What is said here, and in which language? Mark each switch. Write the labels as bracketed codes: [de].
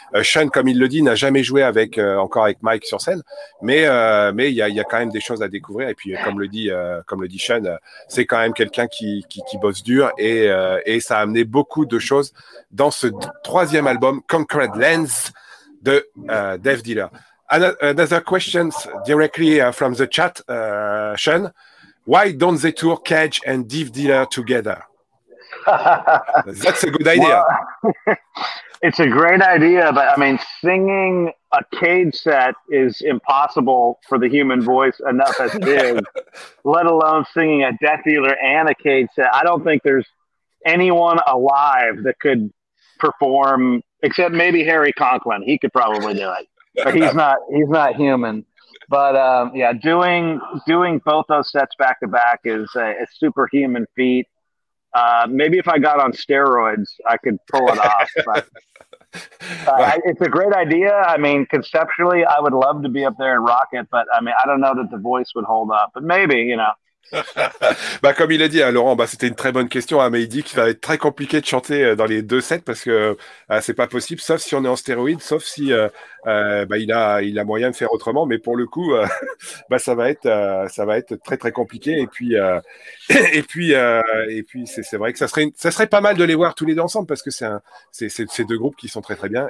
[fr] Sean, comme il le dit, n'a jamais joué avec Mike sur scène, mais il y a quand même des choses à découvrir. Et puis comme le dit Sean, c'est quand même quelqu'un qui bosse dur, et ça a amené beaucoup de choses dans ce troisième album Concrete Lens de Death Dealer. [en] Another question directly from the chat, Sean. Why don't they tour Cage and Death Dealer together? That's a good idea. Well, it's a great idea, but I mean, singing a Cage set is impossible for the human voice enough as it is, let alone singing a Death Dealer and a Cage set. I don't think there's anyone alive that could perform, except maybe Harry Conklin. He could probably do it. But he's not human. But doing both those sets back to back is a superhuman feat. Maybe if I got on steroids, I could pull it off. But it's a great idea. I mean, conceptually, I would love to be up there and rock it. But I mean, I don't know that the voice would hold up. But maybe, you know, [fr] Bah, comme il a dit, hein, Laurent, bah, c'était une très bonne question, hein, mais il dit qu'il va être très compliqué de chanter dans les deux sets parce que c'est pas possible, sauf si on est en stéroïde, sauf si bah, il a moyen de faire autrement. Mais pour le coup, bah, ça va être très très compliqué. Et puis c'est vrai que ça serait pas mal de les voir tous les deux ensemble parce que c'est deux groupes qui sont très très bien.